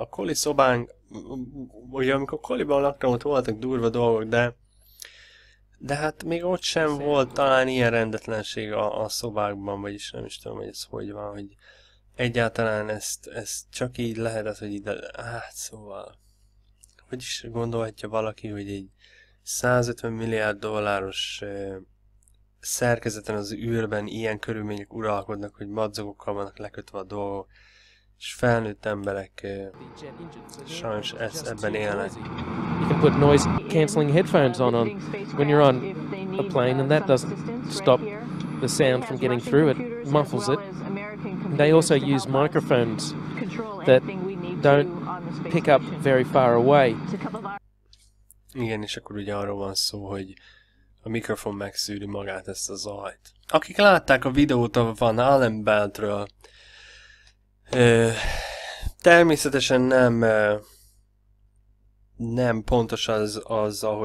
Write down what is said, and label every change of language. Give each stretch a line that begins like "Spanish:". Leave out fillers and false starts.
Hungarian: A koli szobánk, ugye amikor koliban laktam, ott voltak durva dolgok, de hát még ott sem volt talán ilyen rendetlenség a szobákban, vagyis nem is tudom, hogy ez hogy van, hogy egyáltalán ezt csak így lehet, hogy ide, hát szóval, hogy is gondolhatja valaki, hogy egy 150 milliárd dolláros szerkezeten az űrben ilyen körülmények uralkodnak, hogy madzagokkal vannak lekötve a dolgok, és felnőtt emberek sajnos ebben élnek.
English: You can put noise cancelling headphones on when you're on a plane, and that doesn't stop the sound from getting through, it muffles it. They also use microphones that don't pick up very far away.
Hungarian: Igen, és akkor ugye arról van szó, hogy a mikrofon megszűri magát, ezt a zajt. Akik látták a videót a Van Allen Beltről, természetesen nem pontos az